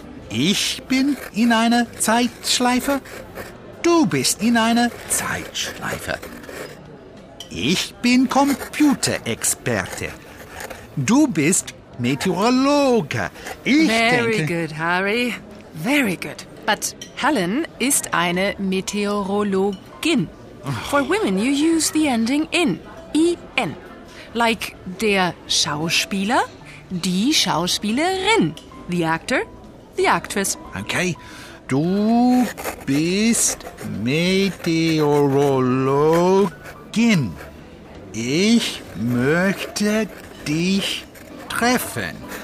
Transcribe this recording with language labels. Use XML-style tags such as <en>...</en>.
<de>Ich bin in einer Zeitschleife. Du bist in einer Zeitschleife. Ich bin Computerexperte. Du bist Meteorologe.</de> <en>Very good, Harry. Very good.</en> <de>But Helen ist eine Meteorologin.</de> <en>For women, you use the ending in. I-N.</en> <de>Like der Schauspieler, die Schauspielerin.</de> <en>The actor, the actress.</en> <de>Okay. Du bist Meteorologin. Ich möchte dich treffen.</de>